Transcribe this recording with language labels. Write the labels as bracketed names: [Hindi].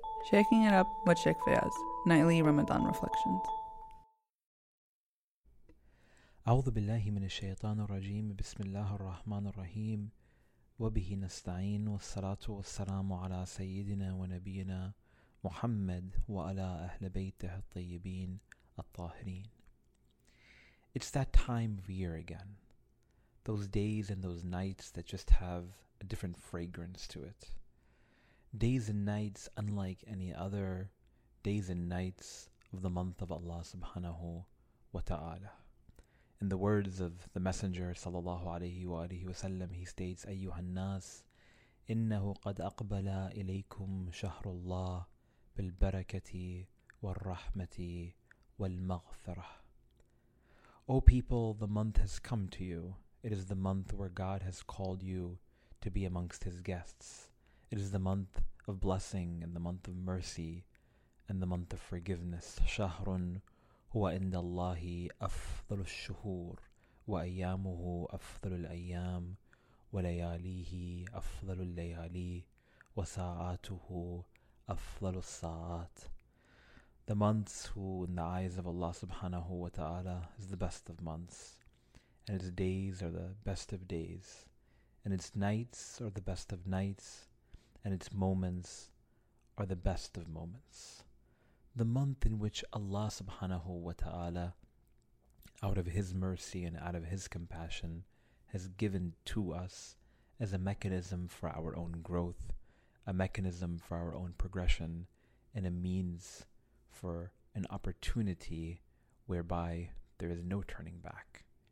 [English] Shaking It Up with Sheikh Faiyaz, Nightly Ramadan Reflections. [Arabic] أعوذ بالله من الشيطان الرجيم بسم الله الرحمن الرحيم وبه نستعين والصلاة والسلام على سيدنا ونبينا محمد وعلى أهل بيته الطيبين الطاهرين. [English] It's that time of year again. Those days and those nights that just have a different fragrance to it. Days and nights unlike any other days and nights of the month of Allah subhanahu wa ta'ala. In the words of the Messenger sallallahu alayhi wa alayhi wa sallam, he states, [Arabic] أيها الناس إنه قد أقبل إليكم شهر الله بالبركة والرحمة والمغفرة. [English] O people, the month has come to you. It is the month where God has called you to be amongst His guests. It is the month of blessing and the month of mercy and the month of forgiveness. [Arabic] شهرٌ هو عند الله أفضل الشهور وأيامه أفضل الأيام ولياليه أفضل الليالي وساعاته أفضل الساعات. [English] The months who in the eyes of Allah subhanahu wa ta'ala is the best of months, and its days are the best of days, and its nights are the best of nights, and its moments are the best of moments. The month in which Allah subhanahu wa ta'ala, out of His mercy and out of His compassion, has given to us as a mechanism for our own growth, a mechanism for our own progression, and a means for an opportunity whereby there is no turning back.